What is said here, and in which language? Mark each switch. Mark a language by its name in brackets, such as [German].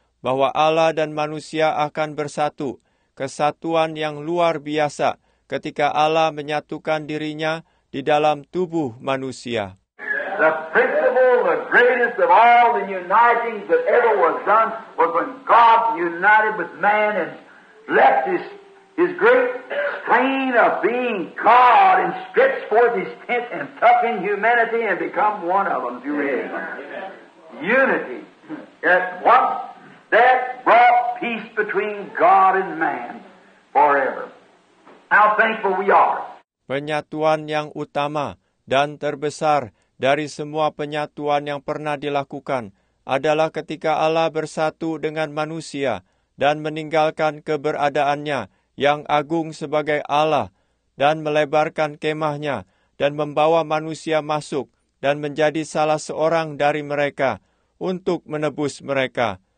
[Indonesian] bahwa Allah dan manusia akan bersatu, kesatuan yang luar biasa ketika Allah menyatukan dirinya di dalam tubuh manusia. [English] The principle, the greatest of all the uniting that ever was done was when God united with man and left his great strain of being God and stretched forth his tent and took in humanity and become one of them. Unity. At once that brought peace between God and man forever. How thankful we are. [Indonesian] Penyatuan yang utama dan terbesar dari semua penyatuan yang pernah dilakukan adalah ketika Allah bersatu dengan manusia dan meninggalkan keberadaannya yang agung sebagai Allah dan melebarkan kemahnya dan membawa manusia masuk dan menjadi salah seorang dari mereka untuk menebus mereka.